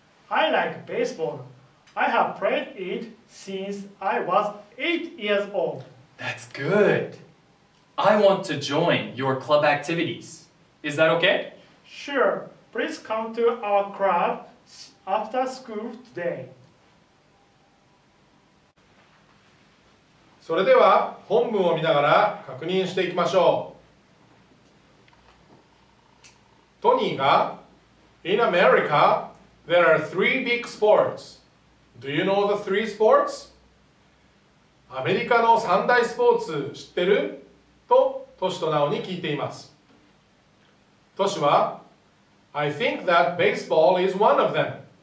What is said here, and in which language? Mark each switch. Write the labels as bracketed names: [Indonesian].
[English] I like baseball. I have played it since I was 8 years old. That's good. I want to join your club activities. Is that okay? Sure. Please come to our club after school today. [Japanese] それでは本文を見ながら確認していきましょう。トニーが [English] In America, there are three big sports. Do you know the three sports? [Japanese] アメリカの三大スポーツ知ってる?とトシとナオに聞いています。トシは [English] I think that baseball is one of them.